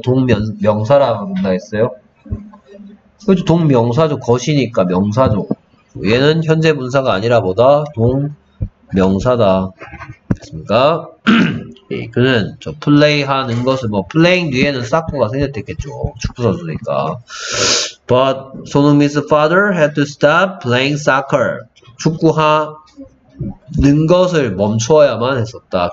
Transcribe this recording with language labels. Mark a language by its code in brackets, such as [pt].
[ko] 동명사라 그런다 했어요. 그렇죠. 동명사죠. 것이니까 명사죠. 얘는 현재 분사가 아니라 보다 동명사다. 됐습니까? 예, 그는 저 플레이하는 것을 뭐 플레잉 뒤에는 사쿠가 생겼겠죠. 축구선수니까. [en] But 손흥민's father had to stop playing soccer. [ko] 축구하는 것을 멈추어야만 했었다.